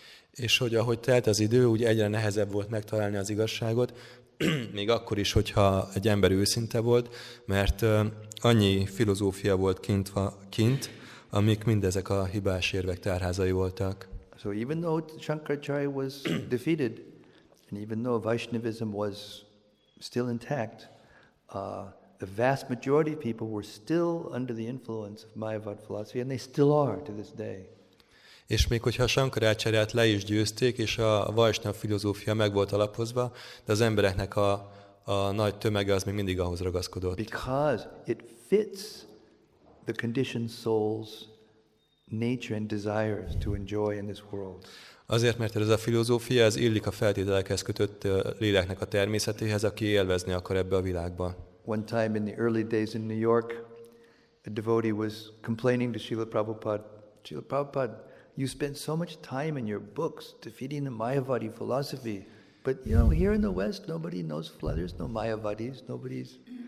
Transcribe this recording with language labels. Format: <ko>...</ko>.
<hu>És hogy ahogy telt az idő úgy egyre nehezebb volt megtalálni az igazságot még akkor is, hogyha egy ember őszinte volt, mert annyi filozófia volt kint, amik mindezek a hibás érvek tárházai voltak.</hu> <en>So even though Shankaracharya was defeated, and even though Vaishnavism was still intact, the vast majority of people were still under the influence of Mayavad philosophy, and they still are to this day.</en> <hu>És még hogyha Shankaracharyát le is győzték, és a Vaishnava filozófia meg volt alapozva, de az embereknek a nagy tömege az még mindig ahhoz ragaszkodott.</hu> <en>Because it fits the conditioned soul's nature and desires to enjoy in this world.</en> <hu>Azért, mert ez a filozófia, ez illik a feltételekhez kötött léleknek a természetéhez, aki élvezni akar ebbe a világba.</hu> <en>One time in the early days in New York, a devotee was complaining to Srila Prabhupada, Srila Prabhupada, you spend so much time in your books defeating the Mayavadi philosophy, but you know here in the West nobody knows there's no Mayavadis, nobody's.</en>